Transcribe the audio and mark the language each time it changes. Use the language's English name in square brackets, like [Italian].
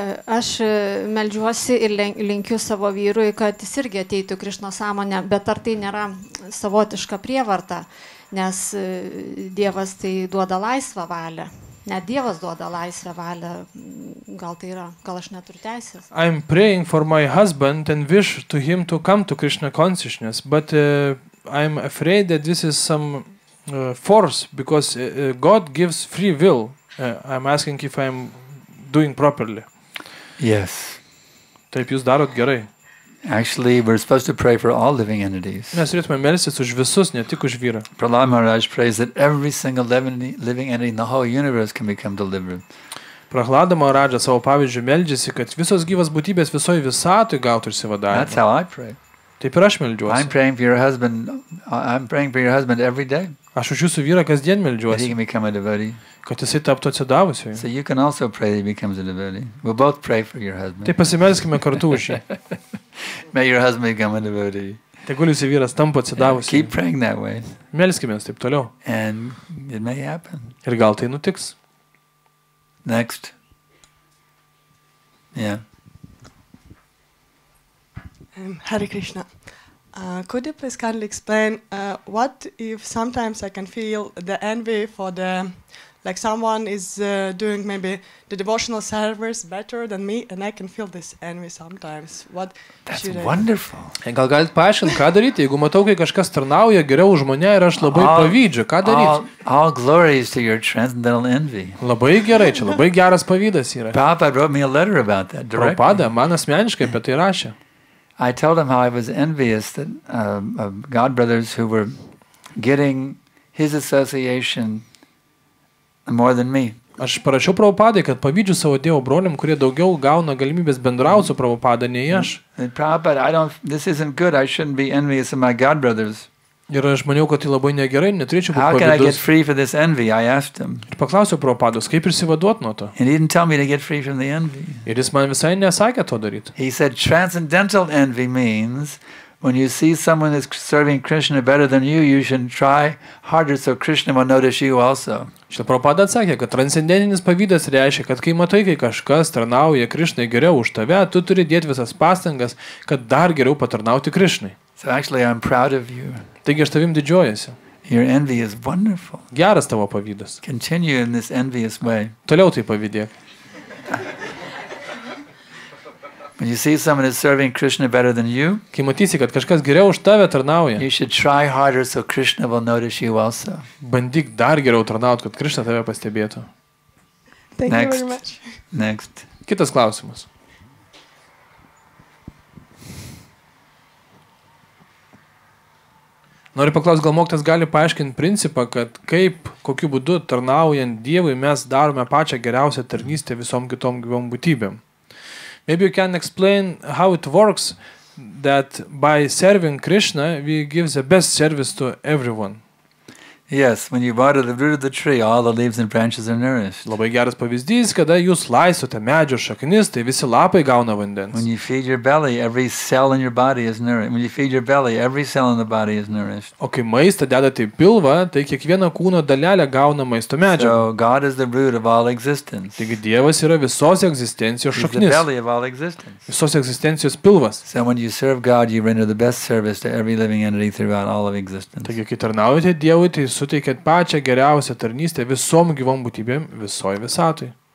[Lithuanian] Aš meldžiuosi ir linkiu savo vyrui, kad jis irgi ateitų Krishna sąmonę, bet ar tai nėra savotiška prievarta, nes Dievas tai duoda laisvą valią. Net Dievas duoda laisvę valią, gal tai yra, gal aš neturiu teisės. [English] I'm praying for my husband and wish to him to come to Krishna consciousness, but I'm afraid that this is some force because God gives free will. I'm asking if I'm doing properly. Yes. [Lithuanian] Taip jūs darot gerai. [English] Actually, we're supposed to pray for all living entities. [Lithuanian] Mes turėtume melstis už visus, ne tik už vyrą. [English] Prahlad Maharaj prays that every single living entity in the whole universe can become delivered. [Lithuanian] Prahlad Maharaj savo pavyzdžiu meldžiasi, kad visos gyvas būtybės visoje visatoje gautų išsivadavimą. [English] That's how I pray. [Lithuanian] Taip ir aš meldžiuosi. [English] I'm praying for your husband every day. [Lithuanian] Aš už jūsų vyrą kasdien meldžiuosi. [English] That he can become a devotee. [Lithuanian] Kad jisai taptų atsidavusiu. [English] So you can also pray that he becomes a devotee. We'll both pray for your husband. [Lithuanian] Taip pasimelskime kartu už jį. [English] May your husband become a devotee. [Lithuanian] Tegul jūsų vyras tampa atsidavusiu. [English] Keep praying that way. [Lithuanian] Melskime taip toliau. [English] And it may happen. [Lithuanian] Ir gal tai nutiks. [English] Next. Yeah. Hare Krishna, could you please kindly explain what if sometimes I can feel the envy for the, like someone is doing maybe the devotional service better than me and I can feel this envy sometimes. What That's should wonderful. I... [Lithuanian] Gal galit paaiškinti, ką daryti, jeigu matau, kai kažkas tarnauja geriau už mane ir aš labai pavydžiu, ką daryti? [English] All glory is to your transcendental envy. [Lithuanian] Labai gerai, čia labai geras pavydas yra. [English] Prabhupada wrote me a letter about that directly. [Lithuanian] Prabhupada man asmeniškai apie tai rašė. [English] I told him how I was envious that of God brothers who were getting his association more than me. [Lithuanian] Aš parašiau Prabhupadai, kad pavydžiu savo dievo broliam, kurie daugiau gauna galimybės bendrauti su Prabhupada nei aš. [English] Prabhupada, I don't this isn't good. I shouldn't be envious of my God brothers. [Lithuanian] Ir aš maniau, kad tai labai negerai, neturėčiau būti pavydus. [English] How can I get free for this envy? I asked him. [Lithuanian] Ir paklausiau Prabhupados, kaip išsivaduot nuo to. [English] And he didn't tell me to get free from the envy. [Lithuanian] Ir jis man visai nesakė to daryti. [English] He said transcendental envy means when you see someone is serving Krishna better than you, you should try harder so Krishna will notice you also. [Lithuanian] Šitą Prabhupada atsakė, kad transcendentinis pavydas reiškia, kad kai matai, kai kažkas tarnauja Krishnai geriau už tave, tu turi dėti visas pastangas, kad dar geriau patarnauti Krishnai. [English] So actually I'm proud of you. [Lithuanian] Taigi aš tavim didžiuojasi. [English] Your envy is wonderful. [Lithuanian] Geras tavo pavydas. [English] Continue in this envious way. [Lithuanian] Toliau tai pavydėk. [English] When you see someone is serving Krishna better than you, [Lithuanian] kai matysi, kad kažkas geriau už tave tarnauja, [English] you should try harder so Krishna will notice you also. [Lithuanian] Bandyk dar geriau tarnaut, kad Krishna tave pastebėtų. [English] Thank Next. You very much. Next. [Lithuanian] Kitas klausimas. Noriu paklausti, gal mokytas gali paaiškinti principą, kad kaip, kokiu būdu tarnaujant Dievui mes darome pačią geriausią tarnystę visom kitom gyvom būtybėm. [English] Maybe you can explain how it works that by serving Krishna we give the best service to everyone. Yes, when you bow to the root of the tree, all the leaves and branches are nourished. [Lithuanian] Labai geras pavyzdys, kada jūs laistote medžio šaknis, tai visi lapai gauna vandens. [English] When you feed your belly, every cell in your body is nourished. When you feed your belly, every cell in the body is nourished. [Lithuanian] O kai maistą dedate į pilvą, tai kiekviena kūno dalelė gauna maisto medžio. [English] So God is the root of all existence. [Lithuanian] Taigi Dievas yra visos egzistencijos šaknis. [English] The belly of all existence. [Lithuanian] Visos egzistencijos pilvas. [English] So when you serve God, you render the best service to every living entity throughout all of existence. [Lithuanian] Taigi kai tarnaujate Dievui, tai suteikiant pačią geriausią tarnystę visom gyvom būtybėm visoje visatoje.